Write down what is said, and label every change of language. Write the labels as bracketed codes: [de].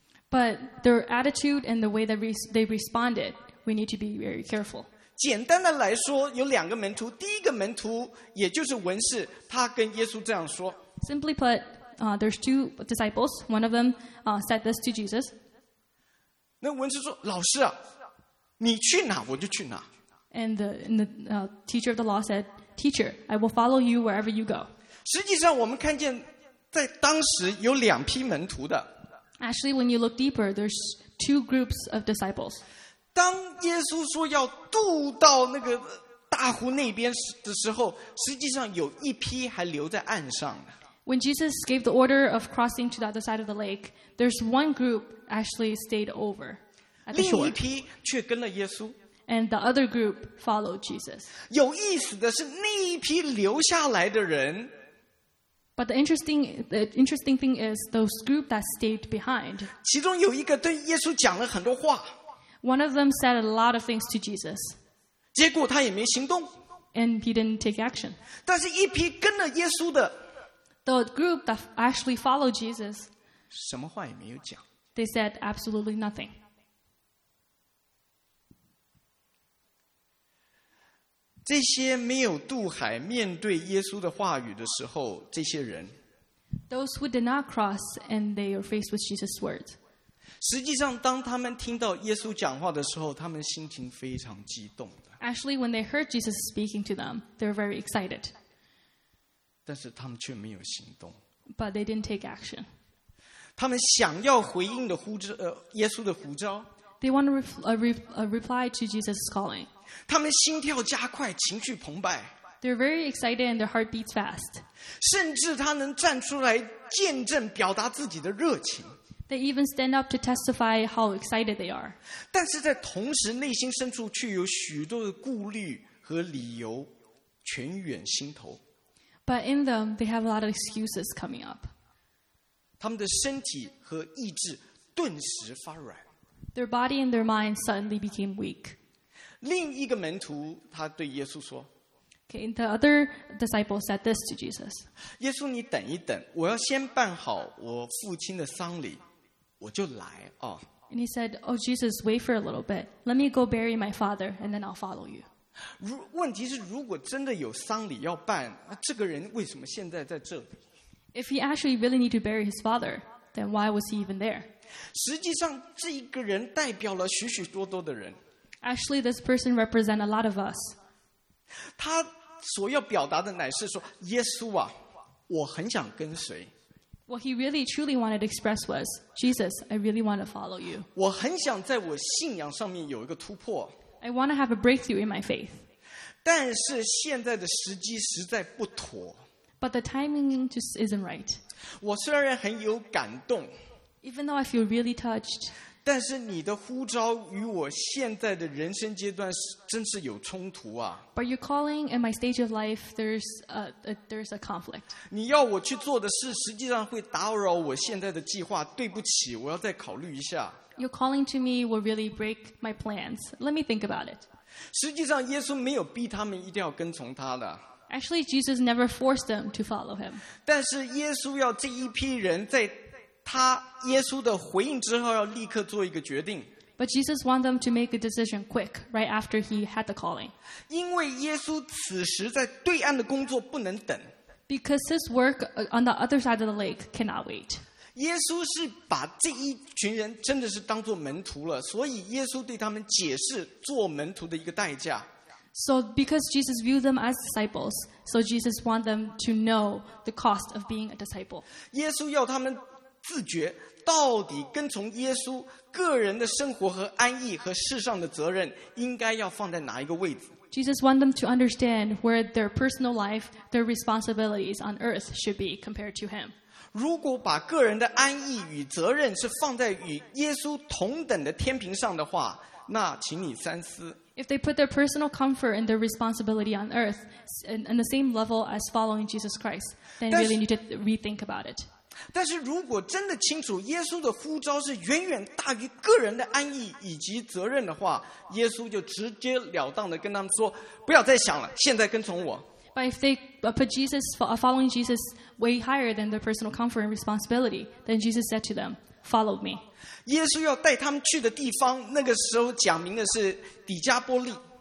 [en] But their attitude and the way that they responded, we need to be very careful. [zh] 简单的来说，有两个门徒，第一个门徒也就是文士，他跟耶稣这样说。 [en] Simply put, there's two disciples. One of them said this to Jesus. [zh] 那文士说：“老师啊，你去哪我就去哪。” [en] And the teacher of the law said, "Teacher, I will follow you wherever you go." [zh] 实际上，我们看见在当时有两批门徒的。 [en] Actually, when you look deeper, there's two groups of disciples. [zh] 当耶稣说要渡到那个大湖那边的时候，实际上有一批还留在岸上的。 [en] When Jesus gave the order of crossing to the other side of the lake, there's one group actually stayed over at the shore. [zh] 另一批却跟了耶稣。 [en] And the other group followed Jesus. [zh] 有意思的是，那一批留下来的人。 [en] But the interesting thing is those group that stayed behind. [zh] 其中有一个对耶稣讲了很多话。 [en] One of them said a lot of things to Jesus. [zh] 结果他也没行动。 [en] And he didn't take action. [zh] 但是一批跟了耶稣的。 [en] The group that actually followed Jesus. [zh] 什么话也没有讲。 [en] They said absolutely nothing. [zh] 这些没有渡海面对耶稣的话语的时候，这些人 [en] ，Those who did not cross and they are faced with Jesus' words， [zh] 实际上，当他们听到耶稣讲话的时候，他们心情非常激动的。 [en] Actually, when they heard Jesus speaking to them, they were very excited. [zh] 但是他们却没有行动。 [en] But they didn't take action. [zh] 他们想要回应的呼召，耶稣的呼召。 [en] They want a reply to Jesus' calling. [zh] 他们心跳加快，情绪澎湃。 [en] They're very excited and their heart beats fast. [zh] 甚至他能站出来见证，表达自己的热情。 [en] They even stand up to testify how excited they are. [zh] 但是在同时，内心深处却有许多的顾虑和理由，泉涌心头。 [en] But in them, they have a lot of excuses coming up. [zh] 他们的身体和意志顿时发软。 [en] Their body and their mind suddenly became weak. [zh] 另一个门徒他对耶稣说 [en] okay, the other disciple said this to Jesus. [zh] 耶稣你等一等，我要先办好我父亲的丧礼，我就来啊。 [en] And he said, oh Jesus, wait for a little bit. Let me go bury my father and then I'll follow you. [zh] 问题是如果真的有丧礼要办，那这个人为什么现在在这里？ [en] If he actually really need to bury his father, then why was he even there? [zh] 实际上这一个人代表了许许多多的人。 [en] Actually, this person represents a lot of us. [zh] 他所要表达的乃是说，耶稣啊。我很想跟随。 [en] What he really truly wanted to express was, Jesus, I really want to follow you. [zh] 我很想在我信仰上面有一个突破。 [en] I want to have a breakthrough in my faith. [zh] 但是现在的时机实在不妥。 [en] But the timing just isn't right. [zh] 我虽然很有感动。 [en] Even though I feel really touched. [zh] 但是你的呼召与我现在的人生阶段真是有冲突啊。 [en] But your calling and my stage of life, there's a conflict. [zh] 你要我去做的事实际上会打扰我现在的计划，对不起，我要再考虑一下。 [en] Your calling to me will really break my plans. Let me think about it. [zh] 实际上耶稣没有逼他们一定要跟从他的。 [en] Actually, Jesus never forced them to follow him. [zh] 但是耶稣要这一批人在他耶稣的回应之后要立刻做一个决定。 [en] But Jesus wanted them to make a decision quick, right after he had the calling. [zh] 因为耶稣此时在对岸的工作不能等。 [en] Because his work on the other side of the lake cannot wait. [zh] 耶稣是把这一群人真的是当作门徒了，所以耶稣对他们解释做门徒的一个代价。 [en] So because Jesus viewed them as disciples, so Jesus wanted them to know the cost of being a disciple. [zh] 耶稣要他们自觉到底跟从耶稣个人的生活和安逸和世上的责任应该要放在哪一个位置。 [en] Jesus wanted them to understand where their personal life, their responsibilities on earth should be compared to him. [zh] 如果把个人的安逸与责任是放在与耶稣同等的天平上的话，那请你三思。 [en] If they put their personal comfort and their responsibility on earth on the same level as following Jesus Christ, then you really need to rethink about it. [zh] 但是如果真的清楚耶稣的呼召是远远大于个人的安逸以及责任的话，耶稣就直接了当地跟他们说，不要再想了，现在跟从我。 [en] But if they put Jesus, following Jesus way higher than their personal comfort and responsibility, then Jesus said to them, follow me. [zh] 耶稣要带他们去的地方，那个时候讲明的是底加波利。